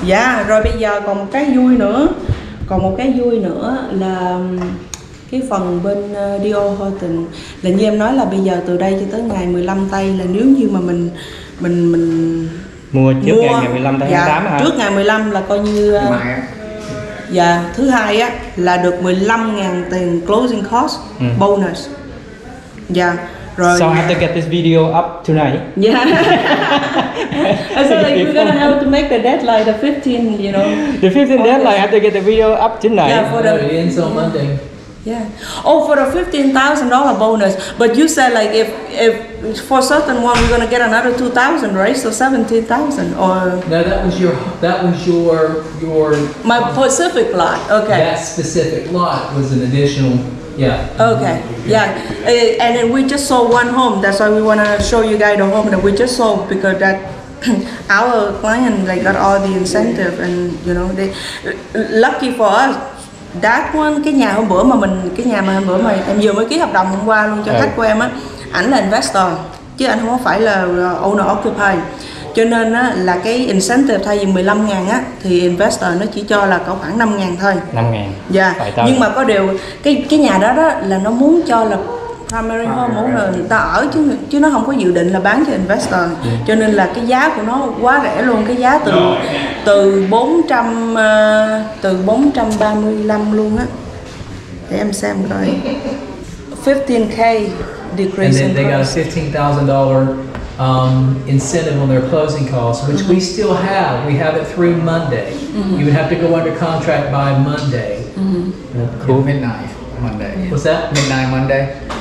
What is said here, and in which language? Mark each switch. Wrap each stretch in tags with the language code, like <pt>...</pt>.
<vi>Dạ rồi bây giờ còn một cái vui nữa. Còn một cái vui nữa là cái phần bên Dior Horton là như em nói là bây giờ từ đây cho tới ngày 15 tây là nếu như mà mình mua trước ngày 15 tây tháng 8 hả? Trước ngày 15 là coi như dạ thứ hai á là được 15.000 tiền</vi> <en>closing cost bonus.</en> <vi>Dạ</vi> <en>Right. So I have to get this video up tonight. Yeah. I said, like, we're gonna have to make the deadline, the 15th, you know. The 15th deadline, I have to get the video up tonight. Yeah, for the ends on Monday. Yeah. Oh, for the $15,000 bonus. But you said, like, if for certain one, we're gonna get another $2,000, right? So $17,000 or. No, that was your. My Pacific lot. Okay. That specific lot was an additional. Yeah. Okay. Yeah. And then we just sold one home. That's why we wanna show you guys the home that we just sold, because that our client, like, got all the incentive, and you know, they lucky for us. That one,</en> <vi>cái nhà hôm bữa mà mình, cái nhà mà hôm bữa mà em vừa mới ký hợp đồng hôm qua luôn cho khách của em á, ảnh là investor chứ anh không phải là owner occupier, cho nên á là cái incentive thay vì 15,000 á thì investor nó chỉ cho là có khoảng 5,000 thôi. 5,000. Dạ.</vi> <en>Yeah.</en> <vi>Nhưng mà có điều cái nhà đó đó là nó muốn cho là</vi> <en>primary home,</en> <vi>muốn là người ta ở chứ nó không có dự định là bán cho investor.</vi> <en>Yeah.</en> <vi>Cho nên là cái giá của nó quá rẻ luôn, cái giá từ 435 luôn á. Để em xem coi.</vi> <en>15k decrease. And then they got a $15,000 incentive on their closing costs, which we still have. We have it through Monday. Mm-hmm. You would have to go under contract by Monday. Mm-hmm. Cool. Midnight Monday. Yeah. What's that? Midnight Monday.</en>